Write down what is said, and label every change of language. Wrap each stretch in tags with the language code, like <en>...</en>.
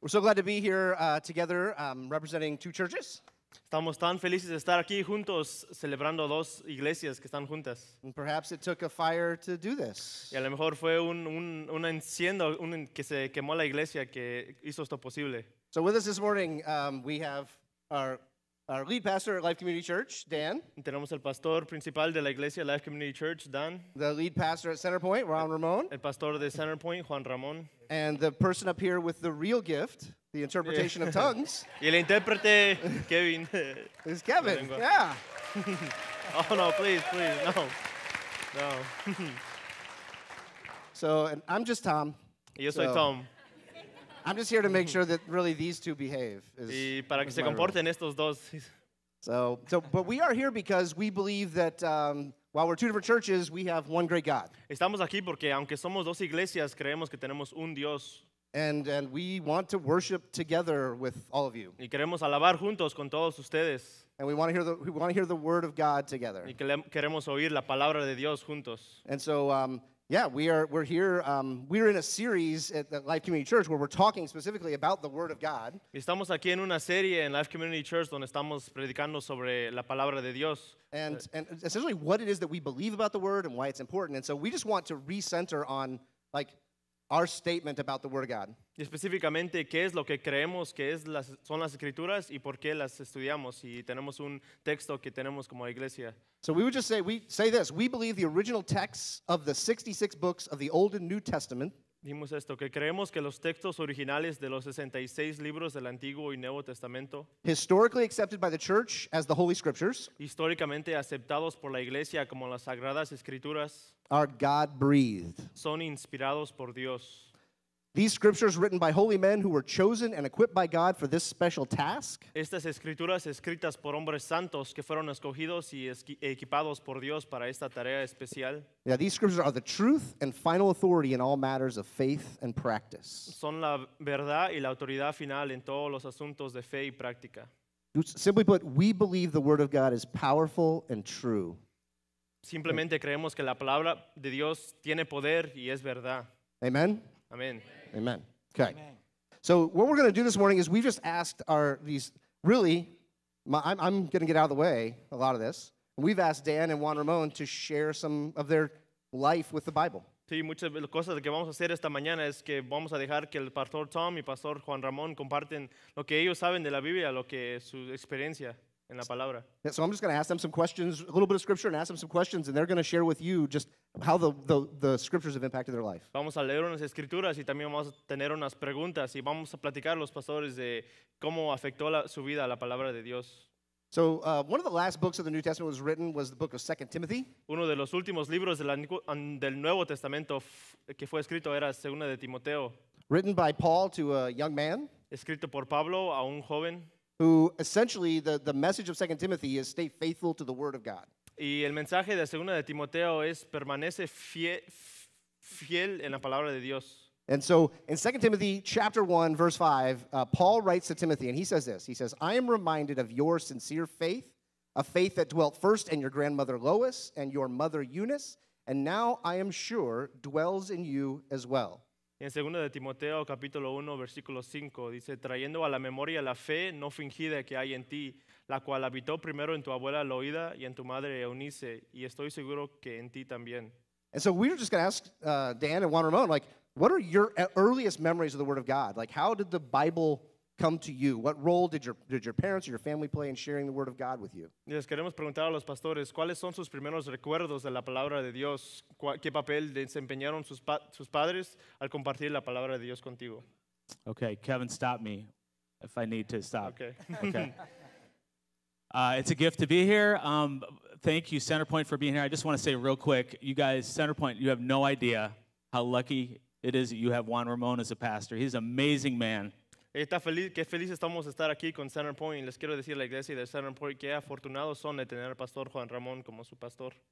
<en>We're so glad to be here together representing two churches.</en> <es>Estamos tan felices de estar aquí juntos celebrando dos iglesias que están juntas.</es> <en>And perhaps it took a fire to do this.</en> <es>Y a lo mejor fue un enciendo que se quemó la iglesia que hizo esto posible.</es> <en>So with us this morning, we have our lead pastor at Life Community Church, Dan.</en> <es>Tenemos el pastor principal de la iglesia Life Community Church, Dan.</es> <en>The lead pastor at Center Point, Juan Ramón.</en> <es>El pastor de Center Point, Juan Ramón.</es> <en>And the person up here with the real gift, the interpretation of tongues.</en> <es>Y el intérprete, Kevin.</es> <en>Is Kevin, yeah. Oh, no, please, no. No. So, and I'm just Tom.</en> <es>Yo soy Tom.</es> <en>I'm just here to make sure that really these two behave.</en> <es>Y para que se comporten estos dos.</es> <en>So, but we are here because we believe that while we're two different churches, we have one great God.</en> <es>Estamos aquí porque aunque somos dos iglesias, creemos que tenemos un Dios.</es> <en>And we want to worship together with all of you.</en> <es>Y queremos alabar juntos con todos ustedes.</es> <en>And we want to hear the word of God together.</en> <es>Y queremos oír la palabra de Dios juntos.</es> <en>And so. We're here. We're in a series at the Life Community Church where we're talking specifically about the Word of God.</en> <es>Estamos aquí en una serie en Life Community Church donde estamos predicando sobre la palabra de Dios.</es> <en>And essentially, what it is that we believe about the Word and why it's important. And so, we just want to recenter on like our statement about the Word of God.</en> <es>Y específicamente, qué es lo que creemos que es son las escrituras y por qué las estudiamos y tenemos un texto que tenemos como iglesia.</es> <en>So we would just say, we believe the original texts of the 66 books of the Old and New Testament.</en> <es>Dimos esto, que creemos que los textos originales de los 66 libros del Antiguo y Nuevo Testamento.</es> <en>Historically accepted by the church as the Holy Scriptures.</en> <es>Históricamente aceptados por la iglesia como las Sagradas Escrituras.</es> <en>Are God-breathed.</en> <es>Son inspirados por Dios.</es> <en>These scriptures written by holy men who were chosen and equipped by God for this special task.</en> <es>Estas escrituras escritas por hombres santos que fueron escogidos y equipados por Dios para esta tarea especial.</es> <en>Yeah, these scriptures are the truth and final authority in all matters of faith and practice.</en> <es>Son la verdad y la autoridad final en todos los asuntos de fe y práctica.</es> <en>Simply put, we believe the word of God is powerful and true.</en> <es>Simplemente creemos que la palabra de Dios tiene poder y es verdad.</es> <en>Amen. Amen. Amen. Okay. Amen. So what we're going to do this morning is we just asked I'm going to get out of the way a lot of this. We've asked Dan and Juan Ramón to share some of their life with the Bible.</en> <es>Sí, muchas de las cosas que vamos a hacer esta mañana es que vamos a dejar que el pastor Tom y pastor Juan Ramón comparten lo que ellos saben de la Biblia, lo que es su experiencia en la palabra.</es> <en>Yeah, so I'm just going to ask them some questions, a little bit of scripture, and ask them some questions, and they're going to share with you just how the scriptures have impacted their life.</en> <es>Vamos a leer unas escrituras y también vamos a tener unas preguntas y vamos a platicar los pastores de cómo afectó su vida la palabra de Dios.</es> <en>So one of the last books of the New Testament was written was the book of 2 Timothy.</en> <es>Uno de los últimos libros del Nuevo Testamento que fue escrito era Segunda de Timoteo.</es> <en>Written by Paul to a young man.</en> <es>Escrito por Pablo a un joven.</es> <en>Who essentially the message of 2 Timothy is stay faithful to the word of God.</en> <es>Y el mensaje de Segunda de Timoteo es permanece fiel en la palabra de Dios.</es> <en>And so in 2 Timothy chapter 1 verse 5, Paul writes to Timothy and he says this. He says, "I am reminded of your sincere faith, a faith that dwelt first in your grandmother Lois and your mother Eunice, and now I am sure dwells in you as well."</en> <es>En 2 de Timoteo capítulo 1 versículo 5 dice, "Trayendo a la memoria la fe no fingida que hay en ti, la cual habitó primero en tu abuela Loida y en tu madre Eunice, y estoy seguro que en ti también."</es> <en>And so we were just going to ask Dan and Juan Ramón, like, what are your earliest memories of the Word of God? Like, how did the Bible come to you? What role did your parents or your family play in sharing the Word of God with you?</en> <es>Les queremos preguntar a los pastores, ¿cuáles son sus primeros recuerdos de la palabra de Dios? ¿Qué papel desempeñaron sus padres al compartir la palabra de Dios contigo?</es> <en>Okay, Kevin, stop me if I need to stop. Okay. It's a gift to be here. Thank you, Centerpoint, for being here. I just want to say real quick, you guys, Centerpoint, you have no idea how lucky it is that you have Juan Ramón as a pastor. He's an amazing man.</en> <es>Qué feliz estamos de estar aquí con Centerpoint. Les quiero decir a la iglesia de Centerpoint qué afortunados son de tener al pastor Juan Ramón como su pastor.</es>